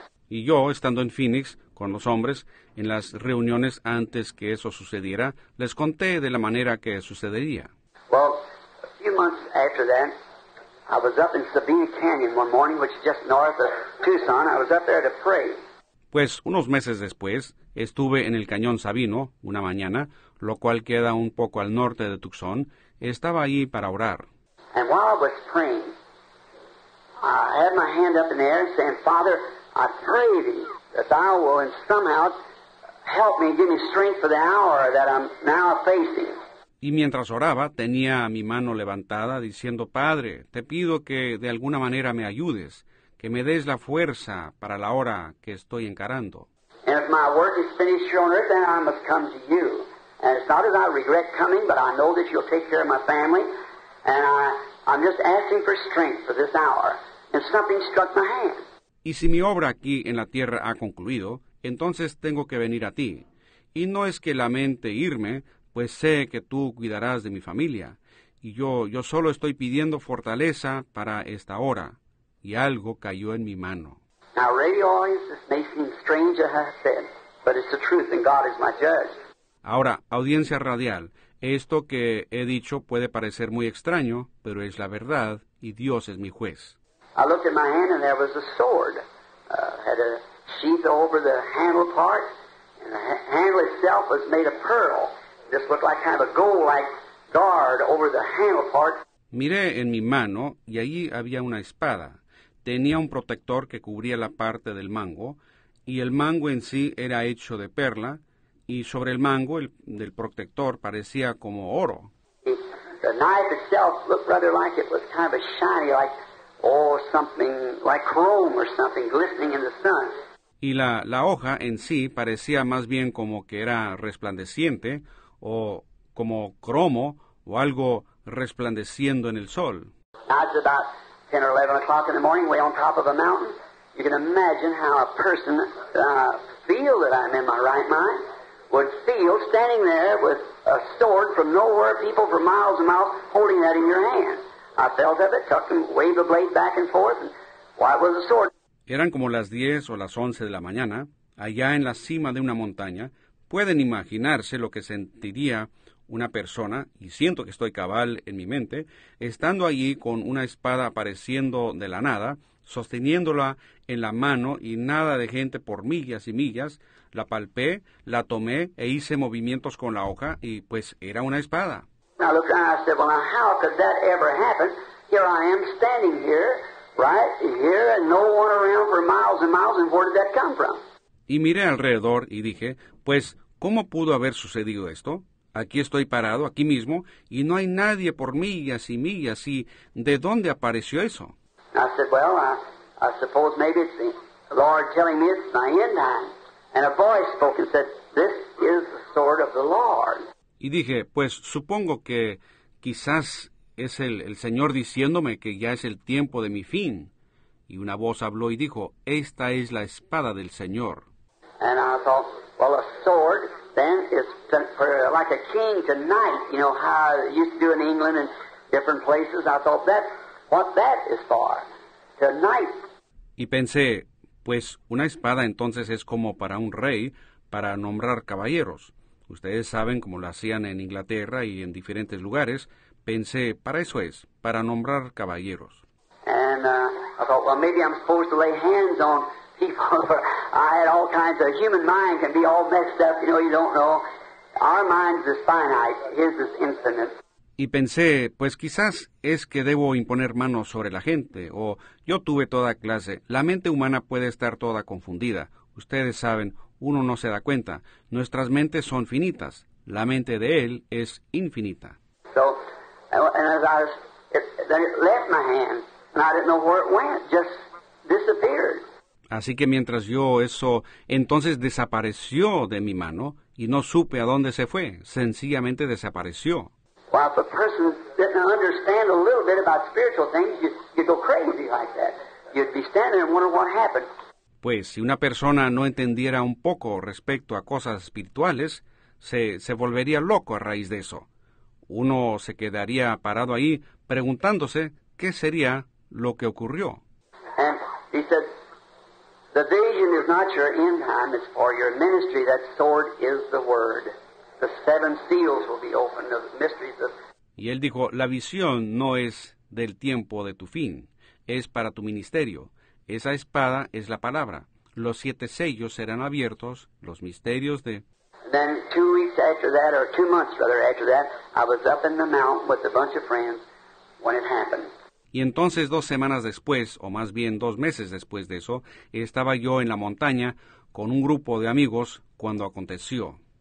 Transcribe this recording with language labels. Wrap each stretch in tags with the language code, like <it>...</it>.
<es>Y yo, estando en Phoenix con los hombres, en las reuniones antes que eso sucediera, les conté de la manera que sucedería.</es> <en>Well, a few months after that, I was up in Sabina Canyon one morning, which is just north of Tucson. I was up there to pray.</en> <es>Pues unos meses después, estuve en el cañón Sabino una mañana, lo cual queda un poco al norte de Tucson. Estaba allí para orar.</es> <en>And while I was praying, I had my hand up in the air saying, Father, I pray thee that thou will in somehow help me, give me strength for the hour that I'm now facing.</en> <es>Y mientras oraba, tenía mi mano levantada diciendo, Padre, te pido que de alguna manera me ayudes, que me des la fuerza para la hora que estoy encarando.</es> <en>And if my work is finished here on earth, then I must come to you. And it's not that I regret coming, but I know that you'll take care of my family. And I'm just asking for strength for this hour. And something struck my hand.</en> <es>Y si mi obra aquí en la tierra ha concluido, entonces tengo que venir a ti. Y no es que lamente irme, pues sé que tú cuidarás de mi familia. Y yo solo estoy pidiendo fortaleza para esta hora. Y algo cayó en mi mano.</es> <en>Now, radio audiences may seem strange, as I said, but it's the truth, and God is my judge.</en> <es>Ahora, audiencia radial, esto que he dicho puede parecer muy extraño, pero es la verdad, y Dios es mi juez.</es> <en>I looked at my hand, and there was a sword. Had a sheath over the handle part, and the handle itself was made of pearl. This looked like kind of a gold-like guard over the handle part.</en> <es>Miré en mi mano, y allí había una espada. Tenía un protector que cubría la parte del mango, y el mango en sí era hecho de perla, y sobre el mango del protector parecía como oro.</es> <en>The knife itself looked rather like it was kind of a shiny, like, oh, something like chrome or something glistening in the sun.</en> <es>Y la hoja en sí parecía más bien como que era resplandeciente, o como cromo, o algo resplandeciendo en el sol.</es> <en>Ten or 11 o'clock in the morning, way on top of a mountain. You can imagine how a person feel that I'm in my right mind would feel standing there with a sword from nowhere, people for miles and miles holding that in your hand. I felt of it, tucked and waved the blade back and forth, and why was the sword?</en> <es>Eran como las 10 o las 11 de la mañana, allá en la cima de una montaña. Pueden imaginarse lo que sentiría una persona, y siento que estoy cabal en mi mente, estando allí con una espada apareciendo de la nada, sosteniéndola en la mano y nada de gente por millas y millas, la palpé, la tomé e hice movimientos con la hoja y pues era una espada.</es> <en>Now look, I said, well, now how could that ever happen? Here I am standing here, right here, and no one around for miles and miles, and where did that come from?</en> <es>Y miré alrededor y dije, pues, ¿cómo pudo haber sucedido esto? Aquí estoy parado, aquí mismo, y no hay nadie por millas y millas, ¿y de dónde apareció eso?</es> <en>I said, well, I suppose maybe it's the Lord telling me it's my end time. And a voice spoke and said, this is the sword of the Lord.</en> <es>Y dije, pues supongo que quizás es el Señor diciéndome que ya es el tiempo de mi fin. Y una voz habló y dijo, esta es la espada del Señor.</es> <en>And I thought, well, a sword then is for like a king to knight, you know, how it used to do in England and different places. I thought that's what that is for, to knight.</en> <es>Y pensé, pues una espada entonces es como para un rey, para nombrar caballeros. Ustedes saben cómo lo hacían en Inglaterra y en diferentes lugares. Pensé, para eso es, para nombrar caballeros.</es> <en>And I thought, well, maybe I'm supposed to lay hands on people. I had all kinds of human mind can be all messed up, you know, you don't know. Our mind is finite, his is infinite.</en> <es>Y pensé, pues quizás es que debo imponer manos sobre la gente, o yo tuve toda clase. La mente humana puede estar toda confundida. Ustedes saben, uno no se da cuenta. Nuestras mentes son finitas. La mente de él es infinita.</es> <en>So, and as I was, then it left my hand, and I didn't know where it went, just disappeared.</en> <es>Así que mientras yo eso, entonces desapareció de mi mano y no supe a dónde se fue. Sencillamente desapareció.</es> <en>Well, if a person didn't understand a little bit about spiritual things, you'd go crazy like that. you'd be standing and wondering what happened.</en> <es>Pues, si una persona no entendiera un poco respecto a cosas espirituales, se volvería loco a raíz de eso. Uno se quedaría parado ahí preguntándose qué sería lo que ocurrió.</es> <en>And he said, the vision is not your end time, it's for your ministry. That sword is the word. The seven seals will be opened of the mysteries of...</en> <es>Y él dijo, la visión no es del tiempo de tu fin, es para tu ministerio. Esa espada es la palabra. Los siete sellos serán abiertos, los misterios de...</es> <en>Then 2 weeks after that, or 2 months rather after that, I was up in the mountain with a bunch of friends when it happened.</en> <es>Y entonces 2 semanas después, o más bien 2 meses después de eso, estaba yo en la montaña con un grupo de amigos cuando aconteció.</es>